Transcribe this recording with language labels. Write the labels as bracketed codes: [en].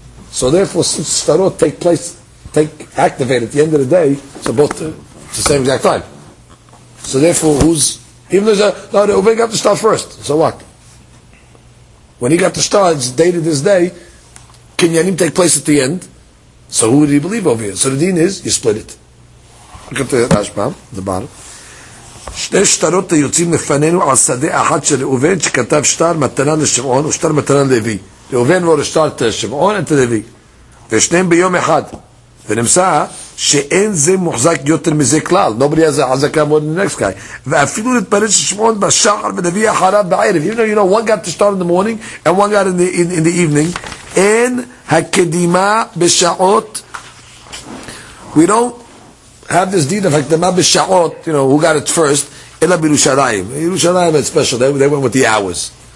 [en] So therefore, since shtarot activate at the end of the day, so both it's the same exact time. So therefore, who's, even though Reuven got the shtar first, so what? When he got the shtar, it's dated this day, kinyanim take place at the end, so who do you believe over here? So the deen is, you split it. Look at the Rashba, the bottom. [he] שני שטרות היוצאים לפנינו על שדה אחת של ראובן שכתב שטר מתנה לשמעון ושטר מתנה לוי. ראובן לא שטר את שמעון את לוי. ושניהם ביום אחד. ונמצא שאין זה מוחזק יותר מזה כלל. [en] Nobody has a חזקה more than the next guy. [he] ואפילו להתפרד ששמעון בשחר ולוי אחריו בערב. [en] Even though you know, one got to start in the morning and one got in the evening. [he] אין הקדימה בשעות. [en] We don't have this deed of hakdama b'sha'ot, you know, who got it first, ela b'Yerushalayim. Yerushalayim is special, they went with the hours.